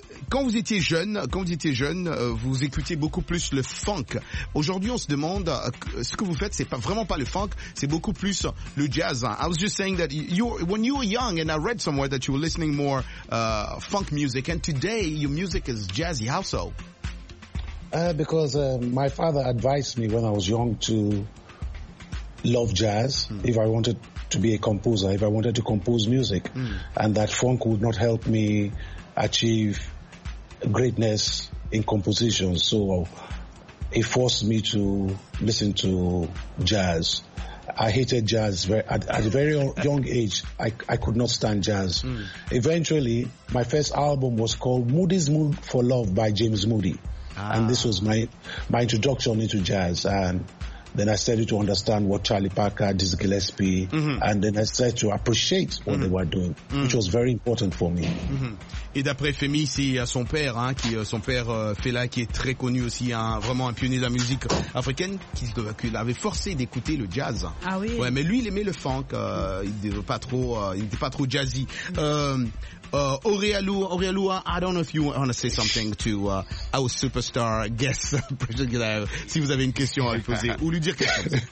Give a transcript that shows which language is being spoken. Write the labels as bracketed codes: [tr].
[fr] Quand vous étiez jeune, vous écoutiez beaucoup plus le funk. Aujourd'hui, on se demande ce que vous faites, c'est pas vraiment pas le funk, c'est beaucoup plus le jazz. [en] I was just saying that you, when you were young, and I read somewhere that you were listening more funk music, and today your music is jazzy. How so? Because my father advised me when I was young to love jazz if I wanted to be a composer, if I wanted to compose music, and that funk would not help me achieve greatness in composition. So it forced me to listen to jazz. I hated jazz at a very young age. I could not stand jazz. Eventually, my first album was called Moody's Mood for Love by James Moody. And this was my introduction into jazz. And then I started to understand what Charlie Parker, Dizzy Gillespie, and then I started to appreciate what they were doing, which was very important for me. [fr] Et d'après Femi, c'est son père, hein, qui son père Fela, qui est très connu aussi, hein, vraiment un pionnier de la musique africaine, qui l'avait forcé d'écouter le jazz. Ah oui. Ouais, mais lui, il aimait le funk. Il n'était pas trop jazzy. [en] Aurealu, I don't know if you want to say something to our superstar guest, particular. [fr] Si vous avez une question à lui poser ou lui dire quelque chose.